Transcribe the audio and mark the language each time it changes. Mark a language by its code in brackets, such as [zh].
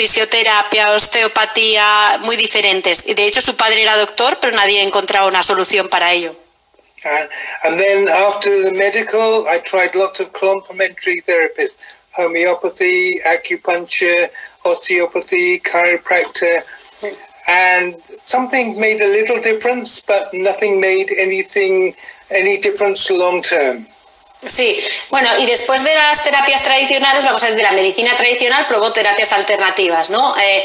[es] Fisioterapia, osteopatía, muy diferentes. Y de hecho, su padre era doctor, pero nadie encontraba una solución para ello. [en] And then after the medical, I tried lots of complementary therapies. Homeopathy, acupuncture, osteopathy, chiropractor, and something made a little difference, but nothing made any difference long term. [es] Sí, bueno, y después de las terapias tradicionales, vamos a decir, de la medicina tradicional, probó terapias alternativas, ¿no?